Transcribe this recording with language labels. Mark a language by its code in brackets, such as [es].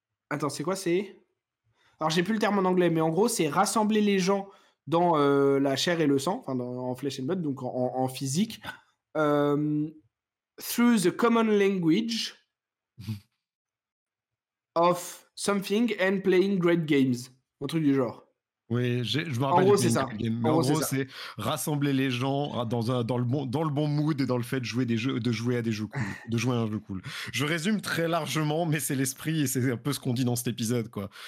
[fr] Attends, c'est quoi? C'est. Alors, j'ai plus le terme en anglais, mais en gros, c'est rassembler les gens dans la chair et le sang, en [en] flesh and blood, [fr] donc en physique. [en] Through the common language of something and playing great games. [fr] Un truc du genre. Oui, je me rappelle. En gros, c'est rassembler les gens dans le bon mood et dans le fait de jouer à un jeu cool. Je résume très largement, mais c'est l'esprit et c'est un peu ce qu'on dit dans cet épisode, quoi.